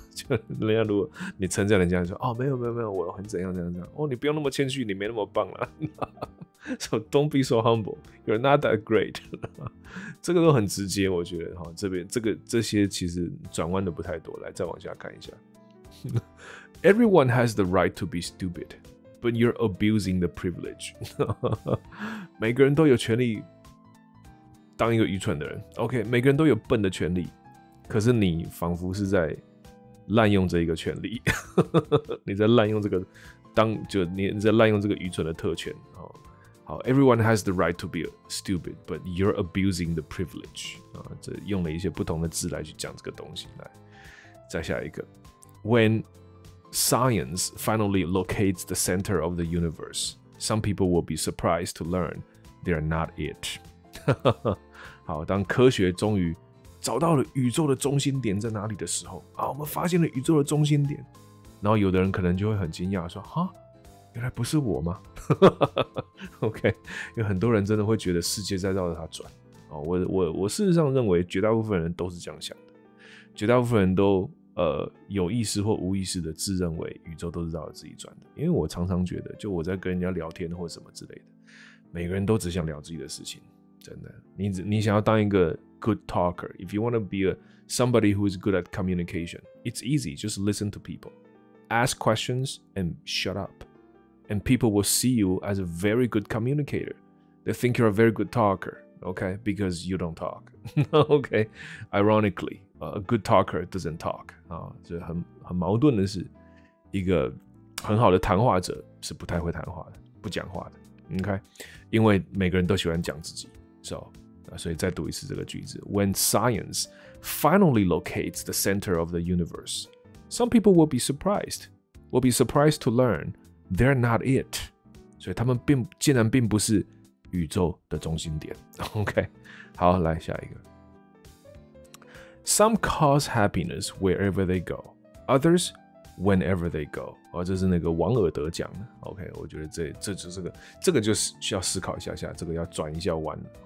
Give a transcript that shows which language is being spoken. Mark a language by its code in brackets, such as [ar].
[zh] 就人家如果你称赞人家说，哦，没有没有没有，我很怎样怎样怎样，哦，你不用那么谦虚，你没那么棒啦。 [en] So don't be so humble. You're not that great. [zh] 这个都很直接，我觉得哈，这边这些其实转弯的不太多。来，再往下看一下。 [en] Everyone has the right to be stupid, but you're abusing the privilege. [zh] 每个人都有权利当一个愚蠢的人。 OK， 每个人都有笨的权利，可是你仿佛是在滥用这一个权利。你在滥用这个愚蠢的特权。 [en] 好 ，Everyone has the right to be stupid, but you're abusing the privilege. [zh] 啊，这用了一些不同的字来去讲这个东西。来，再下一个 [en] ，When science finally locates the center of the universe, some people will be surprised to learn they're not it. [zh] 好，当科学终于找到了宇宙的中心点在哪里的时候，啊，我们发现了宇宙的中心点，然后有的人可能就会很惊讶说，哈。原来不是我吗？OK， 有很多人真的会觉得世界在绕着他转，我事实上认为绝大部分人都是这样想的，绝大部分人都有意识或无意识的自认为宇宙都是绕着自己转的。因为我常常觉得，就我在跟人家聊天或什么之类的，每个人都只想聊自己的事情，真的。你想要当一个 [en] good talker， if you want to be somebody who is good at communication， it's easy， just listen to people， ask questions and shut up。 And people will see you as a very good communicator. They think you're a very good talker, okay? Because you don't talk, okay? Ironically, a good talker doesn't talk. [zh] 啊，这很矛盾的是，一个很好的谈话者是不太会谈话的，不讲话的 ，okay? 因为每个人都喜欢讲自己 ，so 啊，所以再读一次这个句子 ： [en] When science finally locates the center of the universe, Some people will be surprised. Will be surprised to learn they're not it. [zh] 所以他们并竟然并不是宇宙的中心点。 [en] OK， [zh] 好，来下一个。 [en] Some cause happiness wherever they go. Others. Whenever they go， [zh] 哦，这是那个王尔德讲的。 OK， 我觉得这就是需要思考一下，这个要转一下弯。